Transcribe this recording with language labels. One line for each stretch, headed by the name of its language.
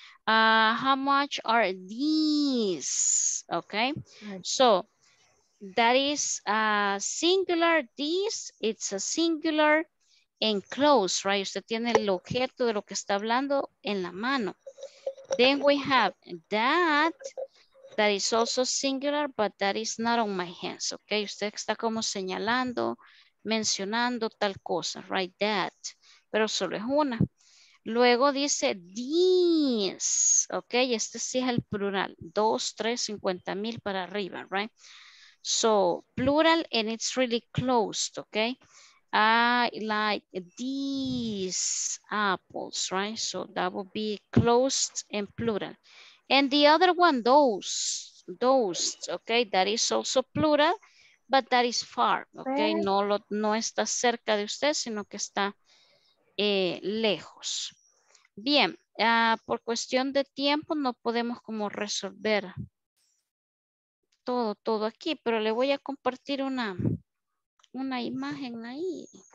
English: How much are these? Okay, so that is a singular. These, it's a singular and close, right?
Spanish: Usted tiene el objeto de lo que está hablando en la mano.
English: Then we have that. That is also singular, but that is not on my hands.
Spanish: Okay, usted está como señalando, mencionando tal cosa, right? That, pero solo es una. Luego dice these, ok, este sí es el plural, 2, 3, 50,000 para arriba, right?
English: So, plural and it's really closed, ok? I like these apples, right? So that would be closed and plural. And the other one, those, ok, that is also plural, but that is far, okay?
Spanish: No, no está cerca de usted, sino que está lejos. Bien, por cuestión de tiempo no podemos como resolver todo aquí, pero le voy a compartir una imagen ahí.